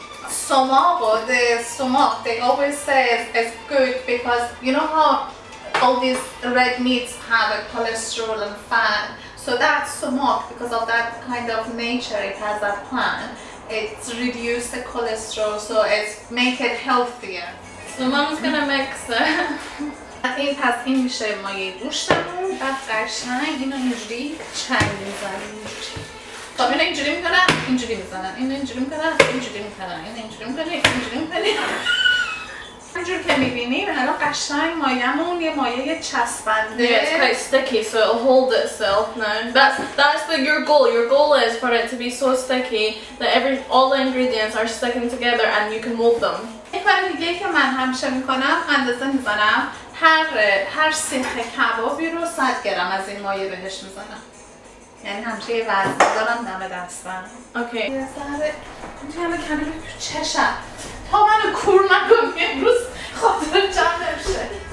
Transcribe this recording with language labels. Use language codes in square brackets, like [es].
[en] Sumac, or the sumac, they always say it's good because you know how all these red meats have a cholesterol and fat, so that's sumac, because of that kind of nature it has that plant, it's reduced the cholesterol, so it's make it healthier. So mom's gonna mix it. [fa] این پس این میشه مایه گوشتمون. بعد قشنگ اینو اینجوری چنگ میزنیم. خب اینو اینجوری میکنن، اینجوری میزنن، اینو اینجوری میکنن، اینجوری میکنن، اینو اینجوری میکنن، اینجوری میکنن. همجور که میبینیم حالا قشنگ مایمون یه مایه چسبنده. [en] Yeah, it's quite sticky, so it'll hold itself now. That's the, your goal. Your goal is for it to be so sticky that all the ingredients are sticking together and you can mold them. [fa] یک بار دیگه که من همیشه میکنم اندازه میزنم هر سیخ کبابی رو 100 گرم از این مایه بهش میزنم. یعنی همچه یه وزن دارم دم دستم. اوکی. اینجا همه کمی رو چشم. تا منو کور نکن امروز خاطر جمع بشه.